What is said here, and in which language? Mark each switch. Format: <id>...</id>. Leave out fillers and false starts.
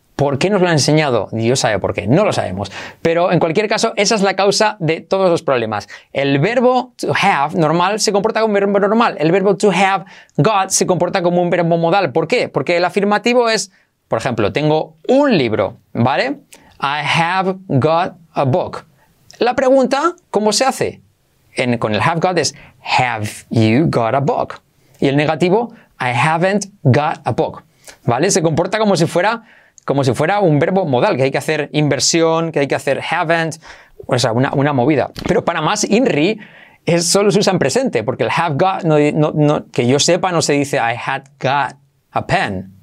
<es>¿Por qué nos lo han enseñado? Dios sabe por qué, no lo sabemos. Pero en cualquier caso, esa es la causa de todos los problemas. El verbo to have normal se comporta como un verbo normal. El verbo to have got se comporta como un verbo modal. ¿Por qué? Porque el afirmativo es, por ejemplo, tengo un libro, ¿vale?</es> <en>I have got a book.</en> <es>La pregunta, ¿cómo se hace? Con el</es> <en>have got es, have you got a book?</en> <es>Y el negativo,</es> <en>I haven't got a book. ¿Vale?</en> <es>Se comporta como si fuera un verbo modal, que hay que hacer inversión, que hay que hacer haven't, o sea, una movida. Pero para más inri, solo se usa en presente, porque el have got, no, que yo sepa, no se dice</es> <en>I had got a pen.</en>